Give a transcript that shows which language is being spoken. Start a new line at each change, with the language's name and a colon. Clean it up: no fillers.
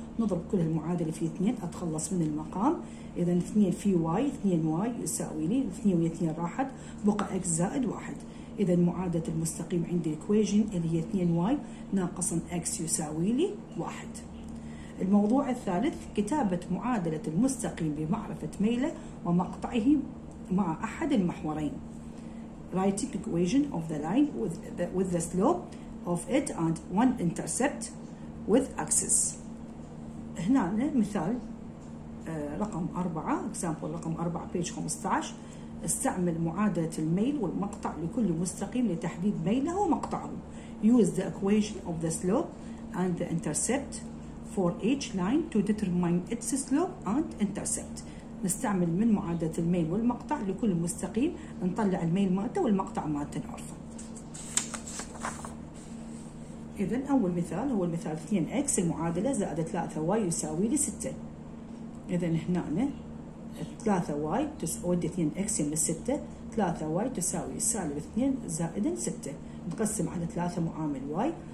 Arabic: نضرب كل المعادلة في 2 أتخلص من المقام. إذن 2 في y، 2 y يساوي لي 2 و 2 راحت، بقى x زائد 1. إذن معادلة المستقيم عندي equation اللي هي 2 y ناقصا x يساوي لي 1. الموضوع الثالث، كتابة معادلة المستقيم بمعرفة ميله ومقطعه مع أحد المحورين.
English: Writing equation of the line with the slope of it and one intercept with axis.
Arabic: هنا مثال رقم 4، example رقم 4
English: page 15.
Arabic: استعمل معادلة الميل والمقطع لكل مستقيم لتحديد ميله ومقطعه.
English: Use the equation of the slope and the intercept for each line to determine its slope and intercept.
Arabic: نستعمل من معادلة الميل والمقطع لكل مستقيم، نطلع الميل مالته والمقطع مالته نعرفه. إذن أول مثال هو المثال 2x المعادلة زائد 3y يساوي لي 6. إذن هنا 3y تساوي 2x يمس 6، 3y تساوي سالب 2 زائد 6، نقسم على 3 معامل y.